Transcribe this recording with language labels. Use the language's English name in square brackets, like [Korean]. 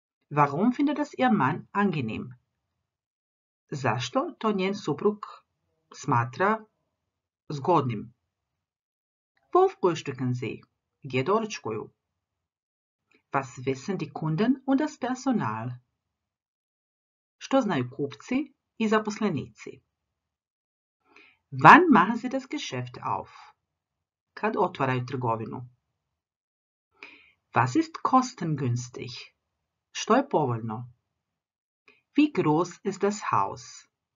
[German] Warum findet das ihr Mann angenehm? [Croatian] Zašto to njen suprug smatra zgodnim? [German] Wo frühstücken sie? [Croatian] Gdje doručkuju? [German] Was wissen die Kunden und das Personal? [Croatian] Što znaju kupci i zaposlenici? [German] Wann machen sie das Geschäft auf? [Croatian] Kad otvaraju trgovinu? [German] Was ist kostengünstig? [Croatian] Što je povoljno? [German] Wie groß ist das Haus?